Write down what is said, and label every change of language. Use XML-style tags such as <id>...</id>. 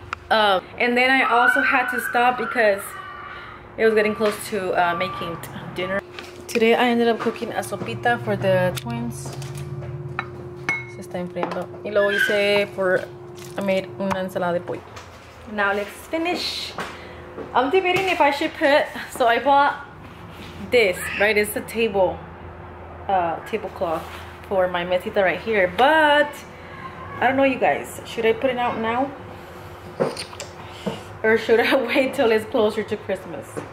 <en>And then I also had to stop because it was getting close to making dinner. Today I ended up cooking a sopita for the twins.</en> <es>Se está enfriando. Y luego hice</es> <en>I made</en> <es>una ensalada de pollo.</es> <en>Now let's finish. I'm debating if I should put, so I bought this, right? It's a table, tablecloth for my mesita right here. But I don't know, you guys, should I put it out now? Or should I wait till it's closer to Christmas?</en>